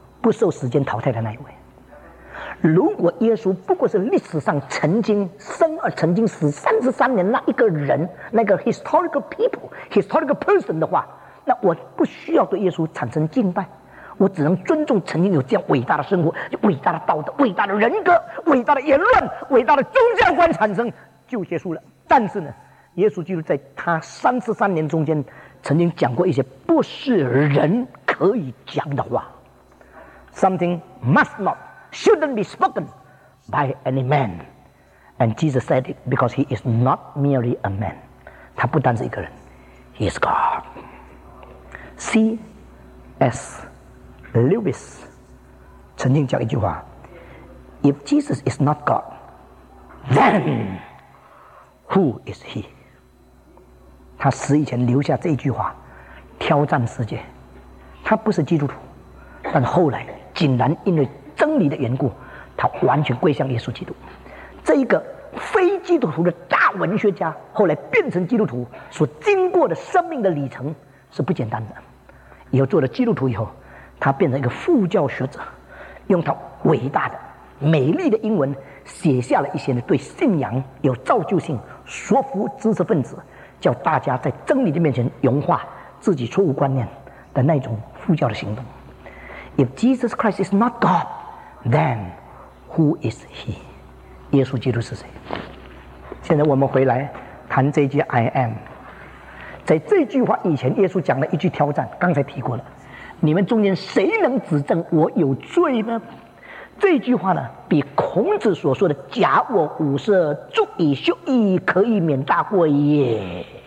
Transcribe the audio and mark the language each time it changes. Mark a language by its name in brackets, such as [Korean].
[Chinese] 不受时间淘汰的那一位。如果耶稣不过是历史上曾经生而曾经死33年那一个人，那个 [English] historical people historical person [Chinese] 的话，那我不需要对耶稣产生敬拜，我只能尊重曾经有这样伟大的生活、伟大的道德、伟大的人格、伟大的言论、伟大的宗教观产生就结束了。但是呢，耶稣基督在他33年中间曾经讲过一些不是人可以讲的话。 [English] Something must not shouldn't be spoken by any man, and Jesus said it because he is not merely a man. [Chinese] 他不单是一个人， [English] He is God. C.S. Lewis [Chinese] 曾经讲一句话， [English] If Jesus is not God, then who is he? [Chinese] 他死以前留下这句话，挑战世界。他不是基督徒，但后来竟然因为真理的缘故，他完全归向耶稣基督。这一个非基督徒的大文学家，后来变成基督徒，所经过的生命的旅程是不简单的。以后做了基督徒以后，他变成一个副教学者，用他伟大的美丽的英文写下了一些对信仰有造就性说服知识分子，叫大家在真理的面前融化自己错误观念的那种副教的行动。 [English] If Jesus Christ is not God, then who is he? [Chinese] 耶稣基督是谁？现在我们回来谈这句 [English] I am。 [Chinese] 在这句话以前，耶稣讲了一句挑战，刚才提过了，你们中间谁能指证我有罪呢？这句话呢，比孔子所说的假我五色，足以修矣，可以免大过也。